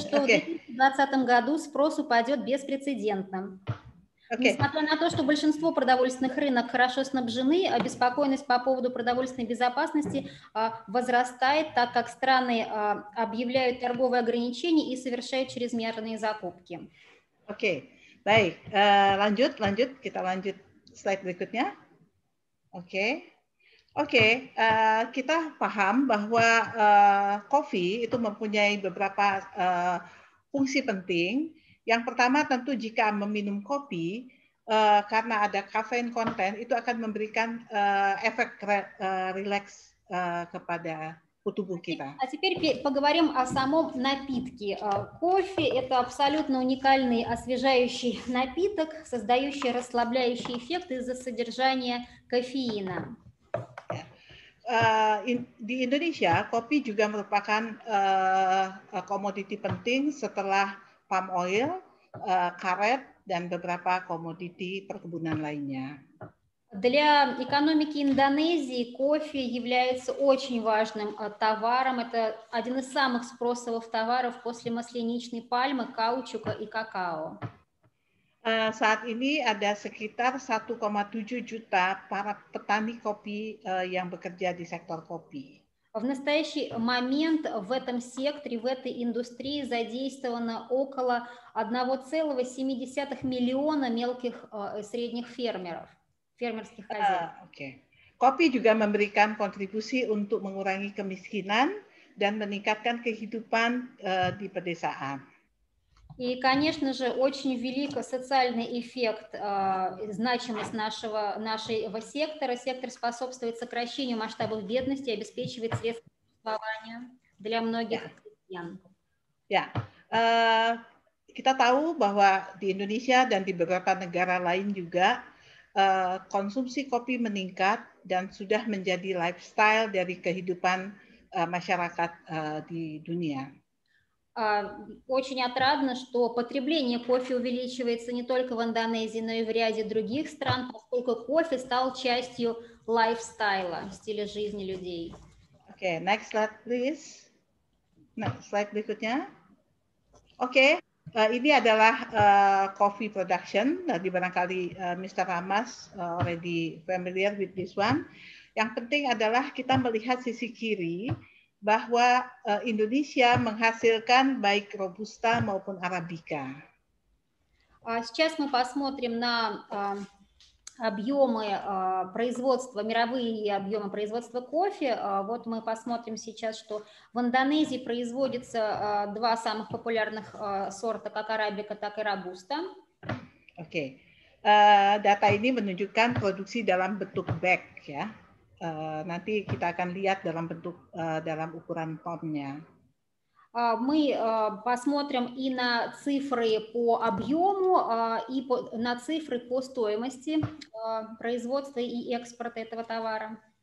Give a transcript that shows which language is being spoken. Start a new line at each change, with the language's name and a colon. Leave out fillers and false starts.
Russian: что в 2020 году спрос упадет беспрецедентно.
English: Okay.
Russian: Несмотря на то, что большинство продовольственных рынок хорошо снабжены, обеспокоенность по поводу продовольственной безопасности возрастает, так как страны объявляют торговые ограничения и совершают чрезмерные закупки.
English: Окей, okay.
Indonesian: Baik. Lanjut. Kita lanjut slide berikutnya.
English: Okay.
Indonesian: Oke, kita paham bahwa kopi itu mempunyai beberapa fungsi penting. Yang pertama tentu jika meminum kopi, karena ada kafein konten, itu akan memberikan efek rileks kepada tubuh kita.
Russian: А теперь поговорим о самом напитке. Кофе – это абсолютно уникальный освежающий напиток, создающий расслабляющий эффект из-за содержания кофеина.
Indonesian: Di Indonesia, kopi juga merupakan komoditi penting setelah palm oil, karet, dan beberapa komoditi perkebunan lainnya.
Russian: Для экономики Индонезии кофе является очень важным товаром. Это один из самых спросовых товаров после масляничной пальмы, каучука и какао.
Indonesian: Saat ini ada sekitar 1,7 juta para petani kopi yang bekerja di sektor kopi.
Russian: В настоящий момент в этом секторе, в этой индустрии задействовано около 1,7 миллиона мелких средних фермеров, фермерских хозяйств.
English: Okay.
Indonesian: Kopi juga memberikan kontribusi untuk mengurangi kemiskinan dan meningkatkan kehidupan di pedesaan.
Russian: И, конечно же, очень велик социальный эффект, значимость нашего сектора. Сектор способствует сокращению масштабов бедности, обеспечивает средства существования для многих крестьян.
Indonesian: Ya, kita tahu bahwa di Indonesia dan di beberapa negara lain juga konsumsi kopi meningkat dan sudah menjadi lifestyle dari kehidupan masyarakat di dunia.
Russian: Очень отрадно, что потребление кофе увеличивается не только в Индонезии, но и в ряде других стран, поскольку кофе стал частью лайфстайла, стиля жизни людей.
English: Okay, next slide, please. Next slide berikutnya.
Indonesian: Okay, ini adalah
English: coffee production.
Indonesian: Tadi barangkali
English: Mr. Ramas already familiar with this one.
Indonesian: Yang penting adalah kita melihat sisi kiri, bahwa Indonesia menghasilkan baik robusta maupun arabica.
Russian: Сейчас мы посмотрим на объемы производства, мировые объемы производства кофе. Вот мы посмотрим сейчас, что в Индонезии производится два самых популярных сорта, как арабика, так и робуста.
English: Okay.
Indonesian: Data ini menunjukkan produksi dalam bentuk bag, ya. Nanti kita akan lihat dalam bentuk dalam ukuran tonnya.
Russian: Мы посмотрим и на цифры по объему и на цифры по стоимости производства и экспорта этого товара.